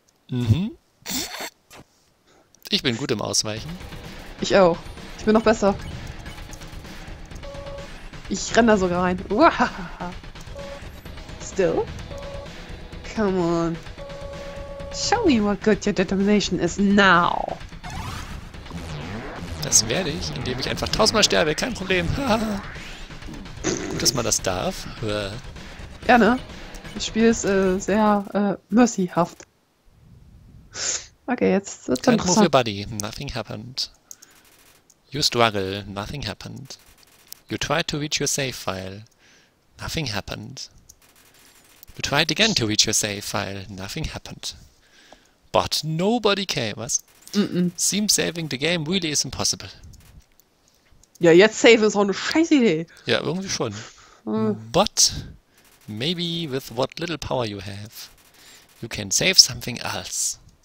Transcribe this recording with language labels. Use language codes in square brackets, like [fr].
[de] Mhm. Ich bin gut im Ausweichen. Ich auch. Ich bin noch besser. Ich renne da sogar rein. [en] Still? Come on. Show me what good your determination is now. [de] Das werde ich, indem ich einfach tausendmal sterbe. Kein Problem. Gut, dass man das darf. Ja, ne? Das Spiel ist sehr mercyhaft. Okay, jetzt wird's interessant. [en] Don't move your body. Nothing happened. You struggle. Nothing happened. You tried to reach your save file. Nothing happened. You tried again to reach your save file. Nothing happened. But nobody came. Was? Mm-mm. Seems saving the game really is impossible. [de] Ja, jetzt save ist auch eine scheiß Idee. Ja, irgendwie schon. [en] But maybe with what little power you have, you can save something else.